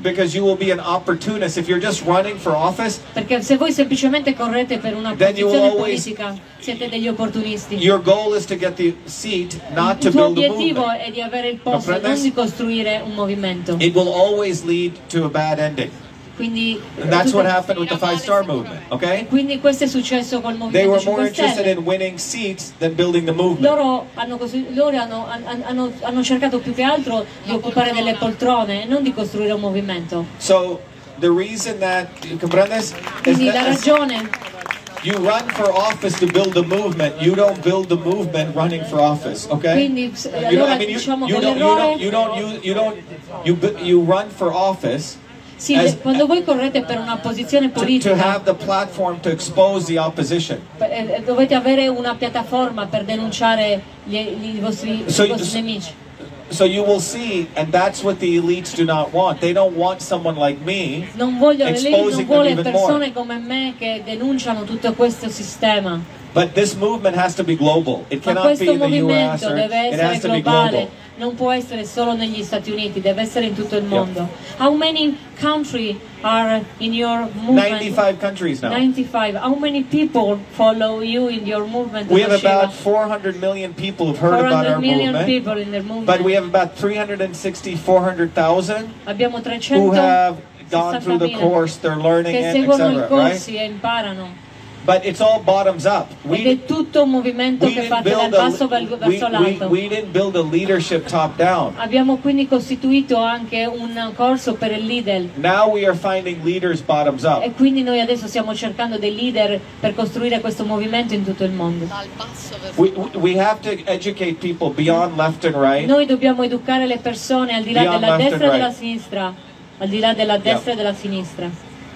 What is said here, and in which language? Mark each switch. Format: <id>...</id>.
<en>Because you will be an opportunist if you're just running for office.</en> <it>Perché se voi semplicemente correte per una posizione politica, siete degli opportunisti.</it> <en>Your goal is to get the seat, not to build a movement.</en> <it>Il tuo obiettivo è di avere il posto, non di costruire un movimento.</it> <en>It will always lead to a bad ending.</en> <it>Quindi,</it> <en>and that's what happened with the five-star movement, okay?</en> <it>E quindi questo è successo col movimento</it> <en>they were more interested in winning seats than building the movement.</en> <it>Loro hanno cercato più che altro di occupare delle poltrone e non di costruire un movimento.</it> <en>So, the reason that, you comprendes?</en> <it>Quindi la ragione.</it> <en>You run for office to build a movement. You don't build the movement running for office, okay? You run for office.</en> <it>Sì, as, quando voi correte per una posizione politica</it> <en>to have the platform to expose the opposition.</en> <it>Dovete avere una piattaforma per denunciare i vostri nemici.</it> <en>So you will see, and that's what the elites do not want. They don't want someone like me</en> <it>non voglio,</it> <en>exposing</en> <it>non vuole</it> <en>them</en> <it>persone</it> <en>even more.</en> <it>Come me che denunciano tutto questo sistema.</it> <en>But this movement has to be global. It cannot be in the US or it has to be global.</en> <it>Non può essere solo negli Stati Uniti, deve essere in tutto il mondo.</it> <en>Yep. How many countries are in your movement? 95 countries now. 95. How many people follow you in your movement? We have about 400 million people have heard about our movement. 400 million people in their movement. But we have about 360,000</en> <it>abbiamo 300</it> <en>who have gone through the course, they're learning</en> <it>che seguono</it> <en>et cetera,</en> <it>i corsi</it> <en>right?</en> <it>E imparano.</it> <en>But it's all bottoms up.</en> <it>Ed è tutto un movimento che fa dal basso verso l'alto.</it> <en>We didn't build a leadership top down.</en> <it>Abbiamo quindi costituito anche un corso per il leader.</it> <en>Now we are finding leaders bottoms up.</en> <it>E quindi noi adesso stiamo cercando dei leader per costruire questo movimento in tutto il mondo.</it> <en>We have to educate people beyond left and right.</en> <it>Noi dobbiamo educare le persone al di là della destra e della sinistra, al di là della destra e della sinistra.</it>